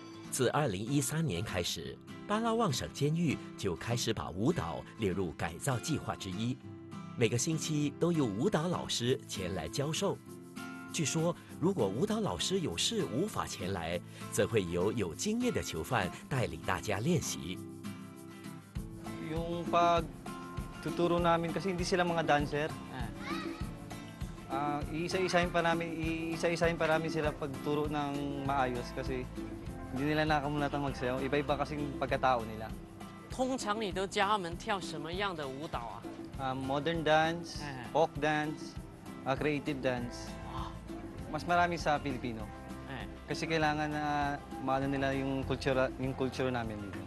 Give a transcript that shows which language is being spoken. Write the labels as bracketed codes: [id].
[zh] 自2013年开始，巴拉望省监狱就开始把舞蹈列入改造计划之一，每个星期都有舞蹈老师前来教授。据说，如果舞蹈老师有事无法前来，则会由有经验的囚犯带领大家练习。 [tl] Yung pagtuturo namin kasi hindi sila mga dancer. Isa-isahin pa namin sila pagturo ng maayos kasi. Hindi nila nakamulatang magsayaw. Iba-iba kasing pagkatao nila. [zh] 通常你都教他们跳什么样的舞蹈啊? [en] Modern dance, folk dance, creative dance. [tl] Mas marami sa Pilipino. Kasi kailangan na maano nila yung kultura namin.